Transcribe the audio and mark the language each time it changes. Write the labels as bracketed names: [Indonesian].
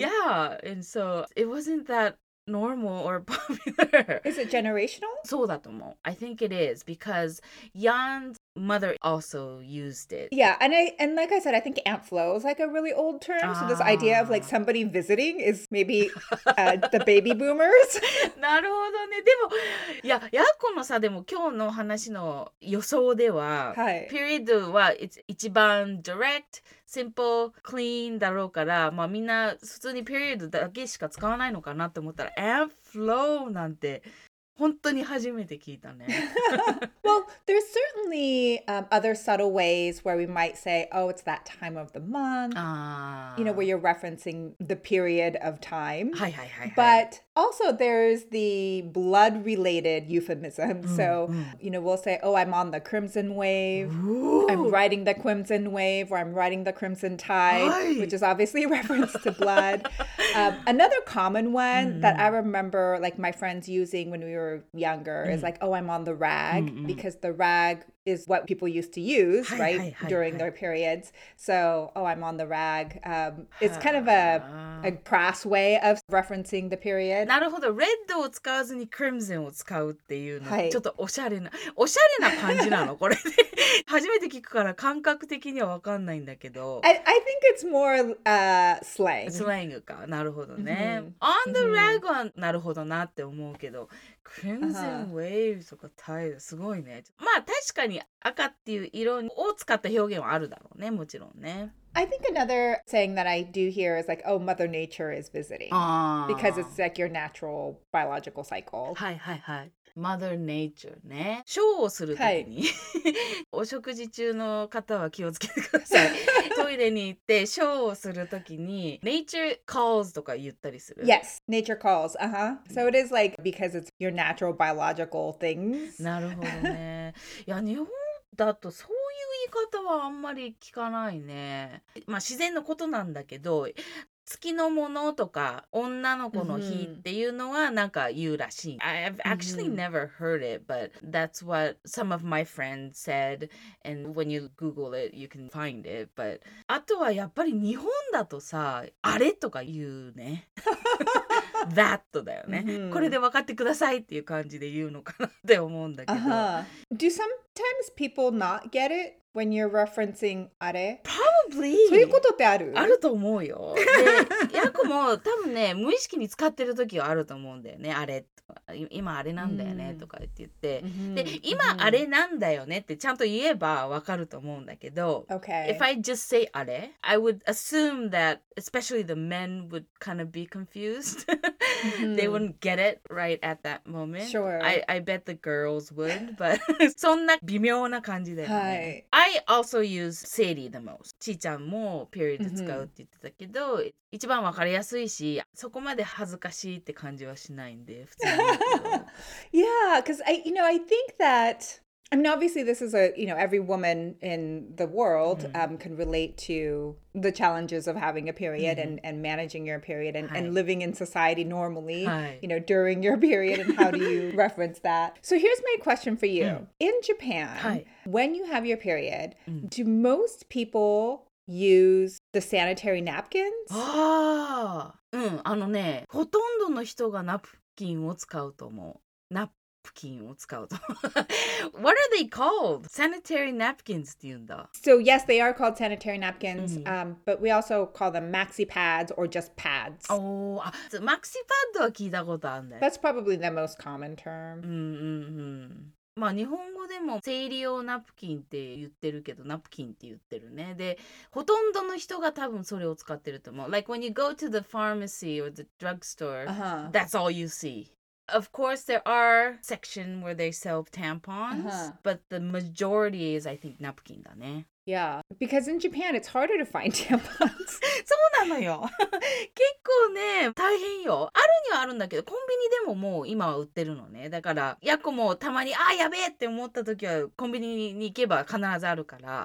[English] Yeah. And so it wasn't thatnormal or popular. Is it generational? [Japanese] そうだと思う。 [English] I think it is because Jan's mother also used it. Yeah, and like I said, I think Aunt Flo is like a really old term. So this idea of like somebody visiting is maybe the baby boomers. [Japanese] なるほどね。でも、いや、ヤッコのさ、でも今日の話の予想では、はい、 period は一番 [English] directSimple, clean [Japanese] だろうから、まあみんな普通にペリオドだけしか使わないのかなって思ったら、 [English] and flow [Japanese] なんて本当に初めて聞いたね。 [English] Well, there's certainly other subtle ways where we might say, oh, it's that time of the month. You know, where you're referencing the period of time. [Japanese] はいはいはい、はい、 [English] But also there's the blood-related euphemism. Mm-hmm. So, you know, we'll say, oh, I'm on the crimson wave. Ooh. I'm riding the crimson wave, or I'm riding the crimson tide, Hi. Which is obviously a reference to blood. another common one that I remember, like, my friends using when we were younger is like, oh, I'm on the rag, because the rag is what people used to use, [Japanese] はい、 [English] right, [Japanese] はい、はい、 [English] during their periods. So, oh, I'm on the rag. It's kind of a crass way of referencing the period. [Japanese] なるほど。レッドを使わずにクリムゼンを使うっていうの、はい、ちょっとおしゃれな感じなのこれ、ね、初めて聞くから感覚的にはわかんないんだけど。 [English] I think it's more slang. [Japanese] スラングか。なるほどね。Mm-hmm. [English] On the rag [Japanese] は、mm-hmm. なるほどなって思うけど。 [English] Crimson wave [Japanese] とかタイル、すごいね。まあ確かに赤っていう色を使った表現はあるだろうね、もちろんね。 [English] I think another saying that I do hear is like, oh, Mother Nature is visiting. Because it's like your natural biological cycle. [Japanese] はいはいはい。Mother Nature ね。ショーをするときに、はい、お食事中の方は気をつけてください。トイレに行ってショーをするときに、 [English] Nature calls [Japanese] とか言ったりする。 [English] Yes, Nature calls. Uh-huh. So it is like because it's your natural biological things. [Japanese] なるほどね。いや、日本だとそういう言い方はあんまり聞かないね。まあ自然のことなんだけど、月のものとか女の子の日っていうのはなんか言うらしい。 Mm-hmm. [English] I've actually never heard it, but that's what some of my friends said. And when you Google it, you can find it. [Japanese] But あとはやっぱり日本だとさ、あれとか言うね。 That だよね。Mm-hmm. これで分かってくださいっていう感じで言うのかなって思うんだけど。 [English] Uh-huh. Do sometimes people not get it? When you're referencing あれ? Probably. [Japanese] そういうことってある? あると思うよ。で、ヤコも多分ね、無意識に使ってる時はあると思うんだよね。あれ、今あれなんだよねとか言って。で、今あれなんだよねってちゃんと言えばわかると思うんだけど。 [English] Okay. If I just say あれ, I would assume that especially the men would kind of be confused. They wouldn't get it right at that moment. Sure. I bet the girls would, but [Japanese] そんな微妙な感じだよね。はい。 [English] I also use Sadie the most. [Japanese] ちーちゃんもピリオド使うって言ってたけど、一番わかりやすいし、そこまで恥ずかしいって感じはしないんで、普通に。 [English] Yeah, because I, you know, I think that, I mean, obviously this is a, you know, every woman in the world can relate to the challenges of having a period and managing your period and living in society normally, you know, during your period and how do you reference that. So here's my question for you. In Japan, when you have your period, do most people use the sanitary napkins? [Japanese] あのね、ほとんどの人がナプキンを使うと思う。ナプkin を使うと。 [English] What are they called? Sanitary napkins [Japanese] って言うんだ。 [English] So yes, they are called sanitary napkins, but we also call them maxi pads or just pads. [Japanese] Oh, maxi pad は聞いたことあるね。 [English] That's probably the most common term. [Japanese] まあ日本語でも生理用ナプキンって言ってるけど、ナプキンって言ってるね。で、ほとんどの人が多分それを使ってると思う。 [English] Like when you go to the pharmacy or the drugstore, that's all you see. Of course, there are sections where they sell tampons, but the majority is, I think, napkin, だね。 Yeah, because in Japan, it's harder to find tampons. [Japanese] そうなの?のよ結構ね大変よ。あるにはあるんだけど、コンビニでももう今は売ってるのね。だからヤコもたまにあーやべえって思った時はコンビニに行けば必ずあるから。